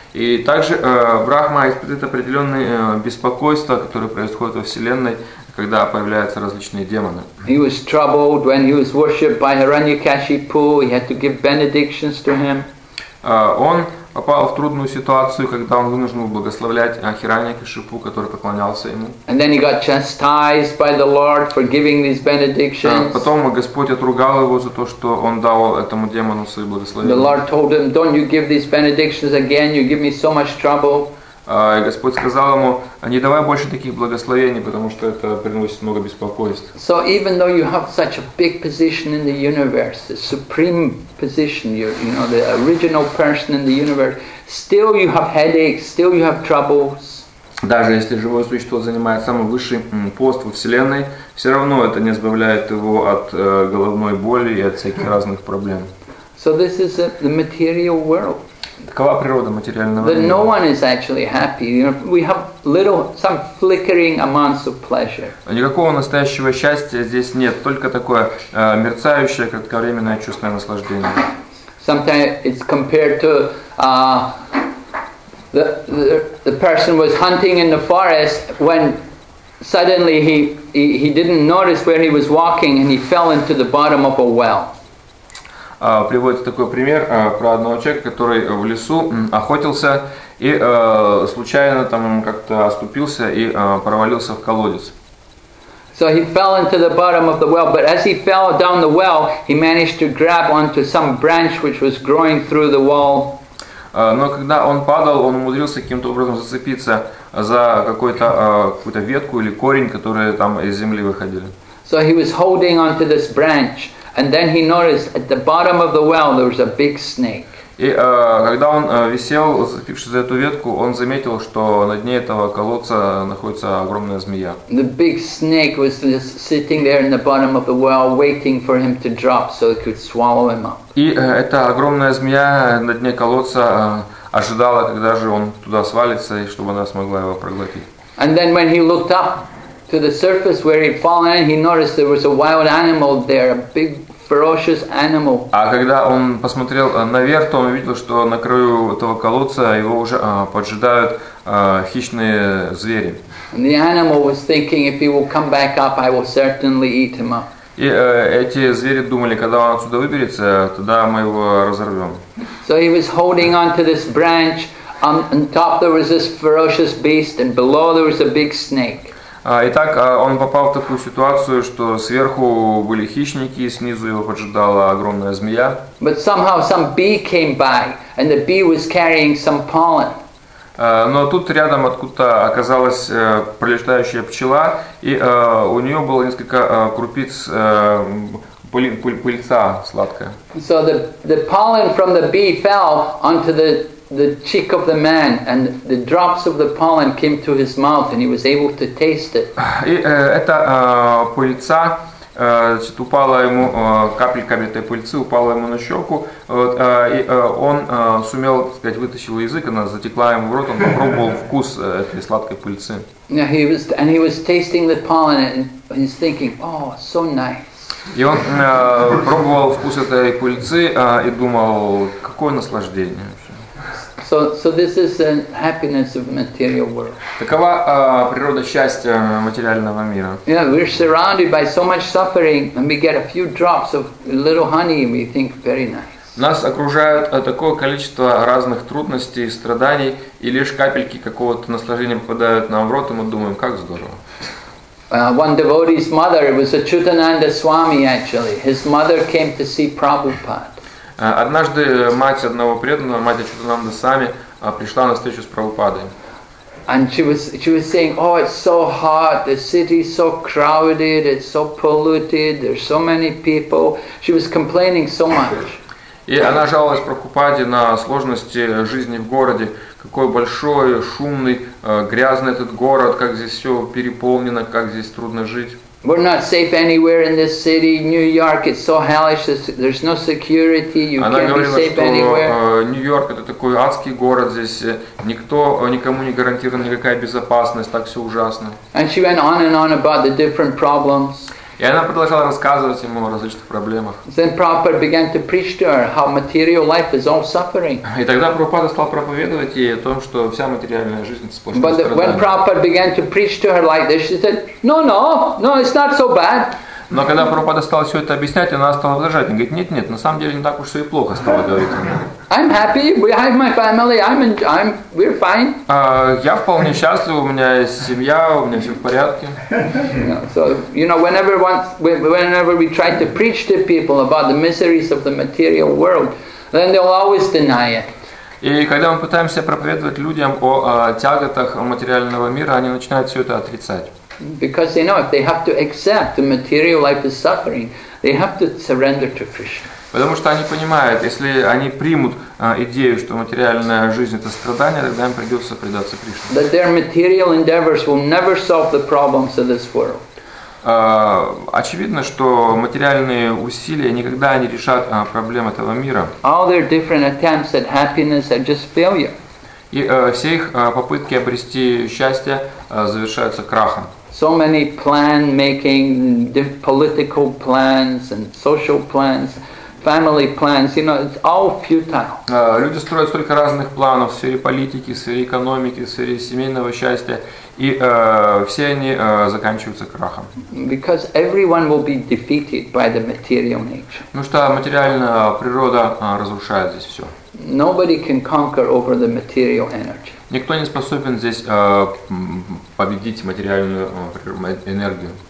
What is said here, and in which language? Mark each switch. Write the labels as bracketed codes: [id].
[ru] И также Брахма испытывает определенные беспокойства, которые происходят во Вселенной, когда появляются различные демоны. [en] He was troubled when he was worshipped by Hiranyakashipu. He had to give benedictions to him. [ru] Он попал в трудную ситуацию, когда он вынужден был благословлять Хираньякашипу, который поклонялся ему. [en] And then he got chastised by the Lord for giving these benedictions. [ru] Потом Господь отругал его за то, что он дал этому демону свои благословения. [en] The Lord told him, "Don't you give these benedictions again? You give me so much trouble." [ru] И Господь сказал ему, не давай больше таких благословений, потому что это приносит много беспокойств. [en] So even though you have such a big position in the universe, the supreme position, you know, the original person in the universe, still you have headaches, still you have troubles. [ru] Даже если живое существо занимает самый высший пост во Вселенной, все равно это не избавляет его от головной боли и от всяких разных проблем. [en] So this is the material world. [ru] Такова природа материального мира. [en] No one is actually happy. You know, we have little, some flickering amounts of pleasure. [ru] Никакого настоящего счастья здесь нет, только такое мерцающее, кратковременное чувство наслаждения. [en] Sometimes it's compared to the person was hunting in the forest when suddenly he didn't notice where he was walking and he fell into the bottom of a well. [ru] Приводится такой пример про одного человека, который в лесу охотился и случайно там как-то оступился и провалился в колодец. [en] So he fell into the bottom of the well, but as he fell down the well, he managed to grab onto some branch which was growing through the wall. [ru] Но когда он падал, он умудрился каким-то образом зацепиться за какую-то ветку или корень, которые там из земли выходили. [en] So he was holding onto this branch, and then he noticed at the bottom of the well there was a big snake. [ru] И когда он висел, зацепившись за эту ветку, он заметил, что на дне этого колодца находится огромная змея. [en] The big snake was sitting there in the bottom of the well, waiting for him to drop, so it could swallow him up. [ru] И эта огромная змея на дне колодца ожидала, когда же он туда свалится, и чтобы она смогла его проглотить. [en] And then when he looked up to the surface where he'd fallen, he noticed there was a wild animal there, a big ferocious animal. [ru] А когда он посмотрел наверх, то он увидел, что на краю этого колодца его уже поджидают хищные звери. [en] And the animal was thinking, if he will come back up, I will certainly eat him up. [ru] И эти звери думали, когда он отсюда выберется, тогда мы его разорвем. [en] So he was holding on to this branch. On top there was this ferocious beast, and below there was a big snake. [ru] Итак, он попал в такую ситуацию, что сверху были хищники, и снизу его поджидала огромная змея. [en] But somehow some bee came by, and the bee was carrying some pollen. [ru] Но тут рядом откуда-то оказалась пролетающая пчела, и у нее было несколько крупиц пыльца сладкая. [en] So the pollen from the bee fell onto the cheek of the man, and the drops of the pollen came to his mouth, and he was able to taste it. [ru] И эта пыльца, значит, упала ему, капельками этой пыльцы упала ему на щеку, и он сумел, так сказать, вытащил язык, она затекла ему в рот, он попробовал вкус этой сладкой пыльцы. [en] Yeah, he was tasting the pollen, and he's thinking, oh, so nice. [ru] И он пробовал вкус этой пыльцы и думал, какое наслаждение. [en] So this is the happiness of material world. [ru] Такова природа счастья материального мира. [en] Yeah, we're surrounded by so much suffering, and we get a few drops of little honey, and we think very nice. [ru] Нас окружает такое количество разных трудностей и страданий, и лишь капельки какого-то наслаждения попадают нам в рот, и мы думаем, как здорово. [en] One devotee's mother, it was Achyutananda Swami actually. His mother came to see Prabhupada. [ru] Однажды мать одного преданного, мать Ачютананда Свами, пришла на встречу с Прабхупадой. [en] And she was saying, oh, it's so hot, the city is so crowded, it's so polluted, there's so many people. She was complaining so much. [ru] И она жаловалась Прабхупаде на сложности жизни в городе. Какой большой, шумный, грязный этот город, как здесь все переполнено, как здесь трудно жить. [en] We're not safe anywhere in this city. New York, it's so hellish. There's no security. You [ru] Она [en] can't [ru] говорила, [en] be safe [ru] что, [en] anywhere. [ru] Нью-Йорк это такой адский город. Здесь никто никому не гарантирована никакая безопасность. Так все ужасно. [en] And she went on and on about the different problems. [ru] И она продолжала рассказывать ему о различных проблемах. [en] Then Prabhupada began to preach to her how material life is all suffering. [ru] И тогда Прабхупада стал проповедовать ей о том, что вся материальная жизнь сплошное страдание. [en] But when Prabhupada began to preach to her like this, she said, no, it's not so bad. [ru] Но когда Прабхупада стал все это объяснять, она стала возражать. Она говорит, нет, на самом деле не так уж все и плохо, стала говорить. [en] I'm happy, we have my family, we're fine. [ru] Я вполне счастлив, у меня есть семья, у меня все в порядке. [en] So, you know, whenever we try to preach to people about the miseries of the material world, then they'll always deny it. [ru] И когда мы пытаемся проповедовать людям о тяготах материального мира, они начинают все это отрицать. [en] Because they know if they have to accept the material life is suffering, they have to surrender to Krishna. [ru] Потому что они понимают, если они примут идею, что материальная жизнь это страдание, тогда им придется предаться Кришне. [en] That their material endeavors will never solve the problems of this world. [ru] Очевидно, что материальные усилия никогда не решат проблем этого мира. [en] All their different attempts at happiness are just failure. [ru] И все их попытки обрести счастье завершаются крахом. [en] So many plan making, political plans and social plans, family plans, you know, it's all futile. [ru] Люди строят столько разных планов в сфере политики, в сфере экономики, в сфере семейного счастья, И все они заканчиваются крахом. [en] Because everyone will be defeated by the material nature. [ru] Потому что материальная природа разрушает здесь все. [en] Nobody can conquer over the material energy. [ru] Никто не способен здесь победить материальную энергию.